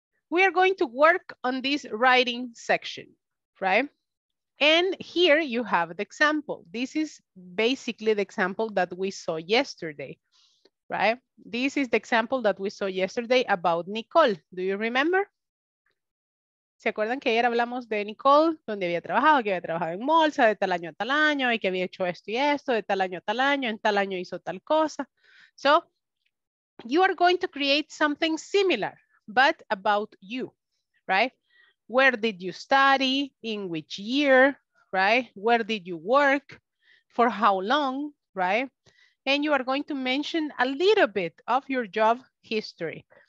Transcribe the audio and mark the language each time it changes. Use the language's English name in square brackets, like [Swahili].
[English] We are going to work on this writing section, right? And here you have the example. This is basically the example that we saw yesterday, right? This is the example that we saw yesterday about Nicole. Do you remember? [Spanish] ¿Se acuerdan que ayer hablamos de Nicole? Donde había trabajado, que había trabajado en bolsa de tal año, y que había hecho esto y esto, de tal año, en tal año hizo tal cosa. [English] So you are going to create something similar, but about you, right? Where did you study, in which year, right? Where did you work, for how long, right? And you are going to mention a little bit of your job history.